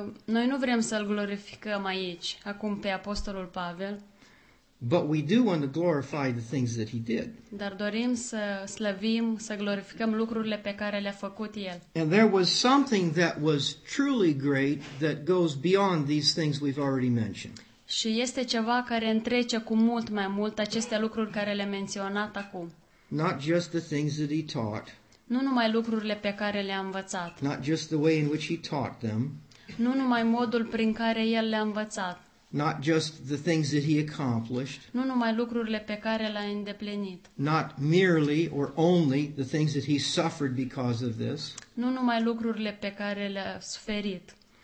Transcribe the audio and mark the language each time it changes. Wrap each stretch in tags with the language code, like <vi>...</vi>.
<ro>Noi nu vrem să-l glorificăm aici, acum pe Apostolul Pavel.</ro> <en>But we do want to glorify the things that he did.</en> <ro>Dar dorim să slăvim, să glorificăm lucrurile pe care le-a făcut el.</ro> <en>And there was something that was truly great that goes beyond these things we've already mentioned.</en> <ro>Și este ceva care întrece cu mult mai mult aceste lucruri care le-am menționat acum.</ro> <en>Not just the things that he taught.</en> <ro>Nu numai lucrurile pe care le-a învățat.</ro> <en>Not just the way in which he taught them.</en> <ro>Nu numai modul prin care el le-a învățat.</ro> <en>Not just the things that he accomplished.</en> <ro>Nu numai lucrurile pe care le-a îndeplinit.</ro> <en>Not merely or only the things that he suffered because of this.</en> <ro>Nu numai lucrurile pe care le-a suferit.</ro>